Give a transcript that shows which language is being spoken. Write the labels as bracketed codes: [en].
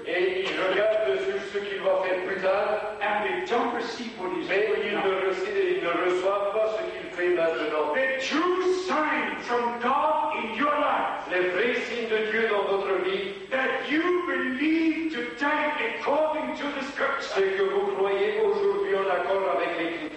[fr] Et ils regardent sur ce qu'il va faire plus tard. [en] And they don't receive what He's [fr] mais [en] doing. [fr] Mais ils ne reçoivent pas ce qu'il fait maintenant. [en] The true sign from God in your life. [fr] Les vrais signes de Dieu dans votre vie. [en] That you believe today according to the Scripture. [fr] C'est que vous croyez aujourd'hui en accord avec l'Écriture.